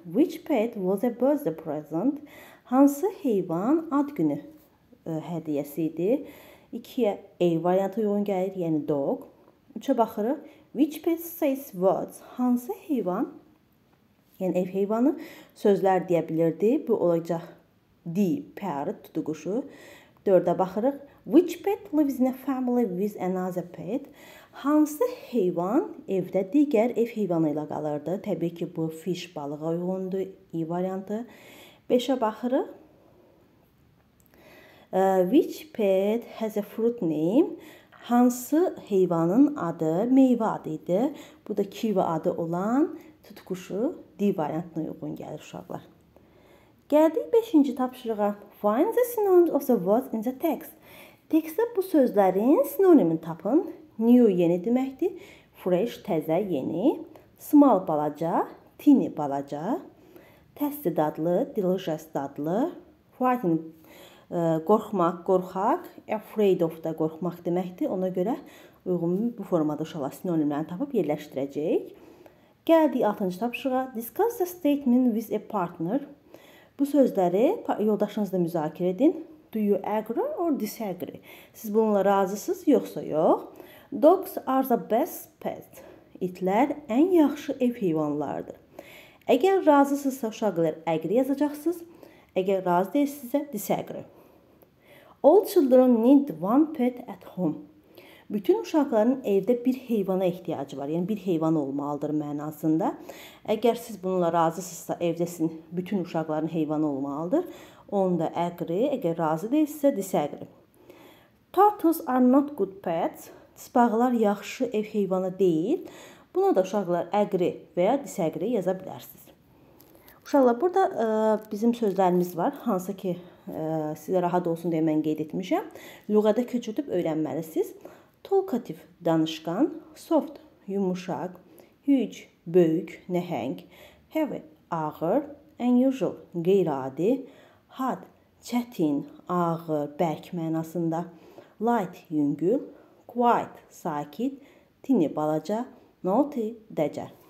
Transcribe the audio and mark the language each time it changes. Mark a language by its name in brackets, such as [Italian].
[English] Which pet was a birthday present? [Azerbaijani] Hansı heyvan ad günü hədiyyəsi idi? 2-yə A variantı uyğun gəlir, yəni dog. 3-ə baxırıq. [English] Which pet says words? [Azerbaijani] Hansı heyvan, yəni ev heyvanı, sözlər deyə bilirdi? Bu olacaq D, parrot, tutuquşu. 4-də baxırıq. [English] Which pet lives in a family with another pet? [Azerbaijani] Hansı heyvan evdə digər ev heyvanı ilə qalırdı? Təbii ki, bu fish balığı uyğundur. İyi variantı. 5-ə baxırıq. [English] Which pet has a fruit name? [Azerbaijani] Hansı heyvanın adı meyve adıydı? Bu da kiva adı olan tutkuşu divayatına uygun gelir uşaqlar. Geldik 5-ci tapışırıqa. [English] Find the synonyms of the words in the text. [Azerbaijani] Textdə bu sözlərin sinonimini tapın. New yeni deməkdir. Fresh təzə yeni. Small balaca. Tiny balaca. Tested adlı. Delicious adlı. Frightened qorxmaq, qorxaq. Afraid of da qorxmaq deməkdir. Ona görə uyğun bu formada uşaqlar sinonimlərini tapıb yerləşdirəcək. Gəldik 6-cı tapışığa. [English] Discuss the statement with a partner. [Azerbaijani] Bu sözləri yoldaşınızla müzakirə edin. [English] Do you agree or disagree? [Azerbaijani] Siz bununla razısınız, yoxsa yox? [English] Dogs are the best pet. [Azerbaijani] İtlər ən yaxşı ev heyvanlardır. Əgər razısınızsa uşaqlar agree yazacaqsınız. Əgər razı deyilsinizsə disagree. [English] All children need one pet at home. [Azerbaijani] Bütün uşaqların evdə bir heyvana ehtiyacı var. Yəni, bir heyvan olmalıdır mənasında. Əgər siz bununla razısınızsa, evdə sizin bütün uşaqların heyvanı olmalıdır. Onda agree, əgər razı deyilsə, disagree. [English] Turtles are not good pets. [Azerbaijani] Tısbağlar yaxşı ev heyvanı deyil. Buna da uşaqlar agree və ya disagree yaza bilərsiniz. Uşaqlar, burada bizim sözlərimiz var. Hansı ki, sizə rahat olsun deyə mən qeyd etmişəm. Lüğədə köçürdüb öyrənməlisiniz. Talkative – danışqan, soft – yumuşaq, huge – böyük, nəhəng, heavy – ağır, unusual – qeyri-adi, hard – çətin, ağır, bərk mənasında, light – yüngül, quiet – sakit, tini – balaca, naughty – dəcəl.